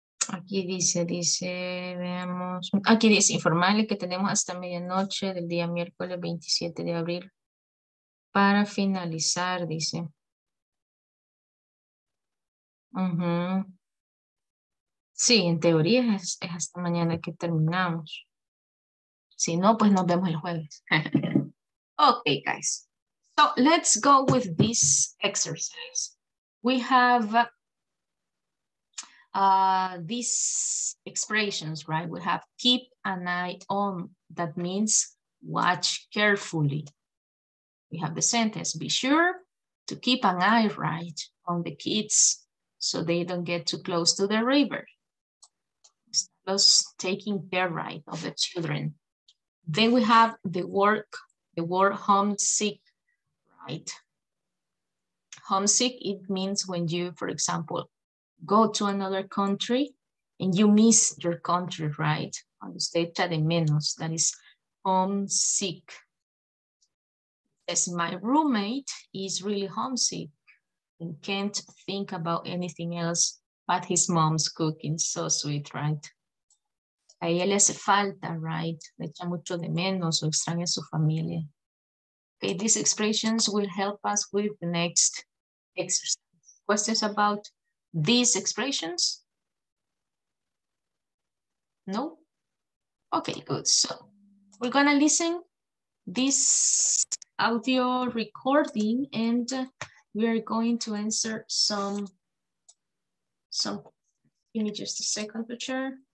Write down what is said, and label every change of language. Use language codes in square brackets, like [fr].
[es] Aquí dice, veamos. Aquí dice, informarle que tenemos hasta medianoche del día miércoles 27 de abril para finalizar, dice. Uh-huh. Sí, en teoría es hasta mañana que terminamos. Si no, pues nos vemos el jueves. [en] Okay, guys. So let's go with this exercise. We have these expressions, right? We have keep an eye on, that means watch carefully. We have the sentence, be sure to keep an eye right on the kids so they don't get too close to the river. Just taking care right of the children. Then we have the word homesick, right? Homesick, it means when you, for example, go to another country and you miss your country, right? [es] Usted echa de menos, [en] that is homesick. As my roommate is really homesick and can't think about anything else but his mom's cooking, so sweet, right? [es] A ella le hace falta, right? Le echa mucho de menos o extraña su familia. [en] Okay, these expressions will help us with the next exercise. Questions about these expressions? No? Okay, good. So we're gonna listen this audio recording and we are going to answer some, give me just a second, picture.